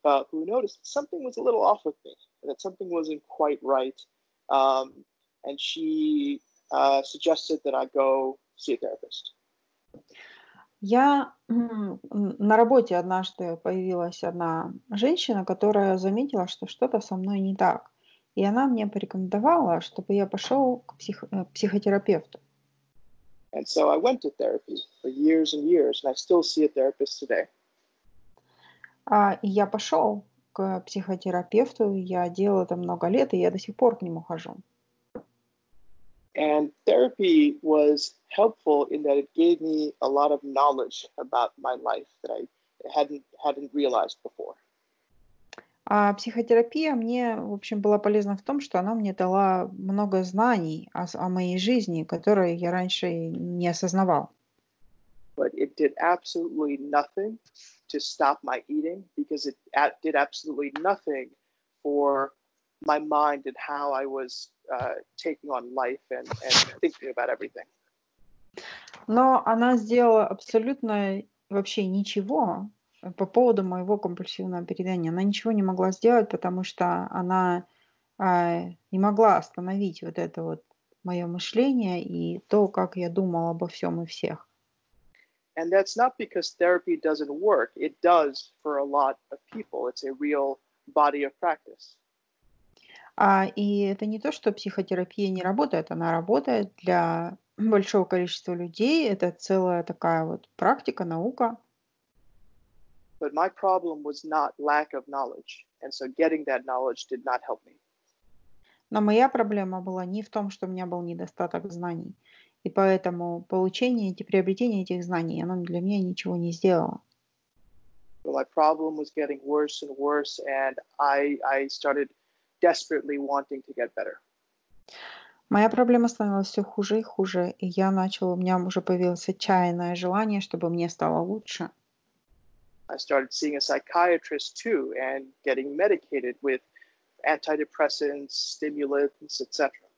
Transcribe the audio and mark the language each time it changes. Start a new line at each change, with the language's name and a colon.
English: Who noticed something was a little off with me, that something wasn't quite right, and she suggested that I go see a therapist.
Russian: Я на работе однажды появилась одна женщина, которая заметила, что что-то со мной не так, и она мне порекомендовала, чтобы я пошел к психотерапевту.
English: And so I went to therapy for years and years, and I still see a therapist today.
Russian: И я пошел к психотерапевту, я делал это много лет, и я до сих пор к нему хожу.
English: And therapy was helpful in that it gave me a lot of knowledge about my life that I hadn't realized before.
Russian: А психотерапия мне, в общем, была полезна в том, что она мне дала много знаний о моей жизни, которые я раньше не осознавал.
English: But it did absolutely nothing to stop my eating because it did absolutely nothing for my mind and how I was taking on life and thinking about everything.
Russian: Но она сделала абсолютно вообще ничего по поводу моего компульсивного переедания. Она ничего не могла сделать, потому что она не могла остановить вот это вот мое мышление и то, как я думала обо всем и всех.
English: And that's not because therapy doesn't work. It does for a lot of people. It's a real body of practice.
Russian: И это не то, что психотерапия не работает. Она работает для большого количества людей. Это целая такая вот практика, наука.
English: But my problem was not lack of knowledge. And so getting that knowledge did not help me.
Russian: Но моя проблема была не в том, что у меня был недостаток знаний. И поэтому получение, приобретение этих знаний, оно для меня ничего не сделало.
English: Well, my problem was getting worse and worse, and I started desperately wanting to get better.
Russian: Моя проблема становилась все хуже и хуже, и у меня уже появилось отчаянное желание, чтобы мне стало лучше.
English: I started seeing a psychiatrist too, and getting medicated with antidepressants, stimulants, etc.